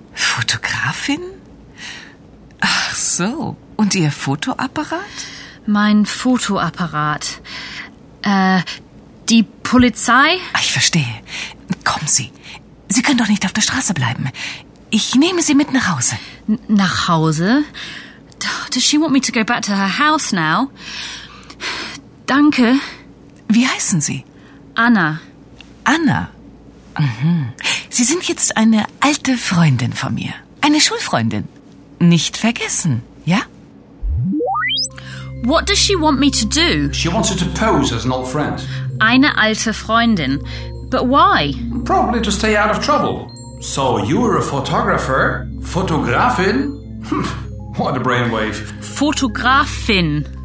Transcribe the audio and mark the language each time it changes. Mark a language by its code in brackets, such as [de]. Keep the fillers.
[de] Fotografin? Ach so. Und Ihr Fotoapparat? Mein Fotoapparat. Äh, uh, die Polizei? Ach, ich verstehe. Kommen Sie. Sie können doch nicht auf der Straße bleiben. Ich nehme Sie mit nach Hause. nach Hause? [en] Does she want me to go back to her house now? [de] Danke. Wie heißen Sie? Anna. Anna? Mhm. Sie sind jetzt eine alte Freundin von mir. Eine Schulfreundin. Nicht vergessen, ja? [en] What does she want me to do? She wants you to pose as an old friend. [de] Eine alte Freundin. [en] But why? Probably to stay out of trouble. So you're a photographer? [de] Fotografin? [en] Hm, what a brainwave. Fotografin.